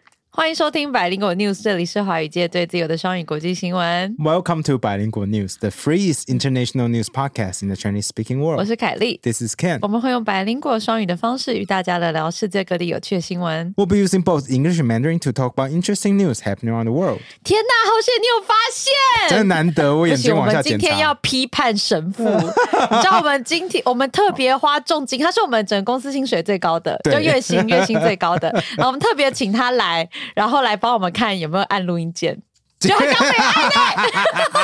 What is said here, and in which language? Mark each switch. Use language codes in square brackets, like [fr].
[zh] 欢迎收听百灵果 News， 这里是华语界最自由的双语国际新闻。 [en] Welcome to 百灵果 News， the freest international news podcast in the Chinese speaking world。 [zh] 我是凯莉 [en] ，This is Ken。 [zh] 我们会用百灵果双语的方式与大家来聊世界各地有趣的新闻。 [en] We'll be using both English and Mandarin to talk about interesting news happening around the world。 [zh] 天哪，好险！你有发现？真的难得，我眼睛往下检查。我们今天要批判神父，你知道我们今天我们特别花重金，他是我们整个公司薪水最高的，就月薪最高的，然后我们特别请他来。然后来帮我们看有没有按录音键，就好像没按